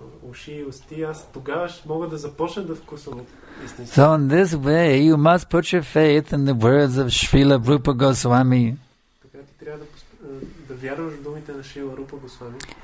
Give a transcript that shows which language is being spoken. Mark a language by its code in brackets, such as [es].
[bg] уши и усти, аз тогава мога да започна да вкусвам истинството. [en] So in this way, you must put your faith in the words of Srila Rupa Goswami. [bg] Така ти трябва да вярваш в думите на Шрила Рупа Госвами.